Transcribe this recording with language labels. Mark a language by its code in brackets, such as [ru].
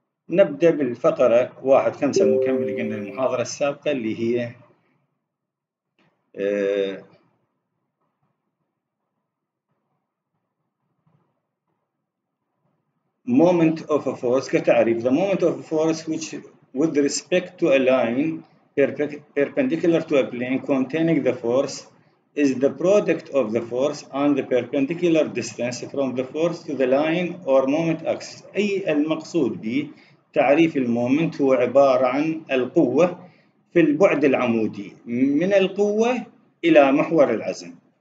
[ar] نبدا بالفقره 1.5 المكمله قلنا المحاضره السابقه اللي هي مومنت اوف فورس كتعريف. [en] The moment of force which with respect to a line perpendicular to a plane containing the force is the product of the force on the perpendicular distance from the force to the line or moment axis. [ar] أي المقصود به تعريف المومنت هو عبارة عن القوة في البعد العمودي من القوة إلى محور العزم.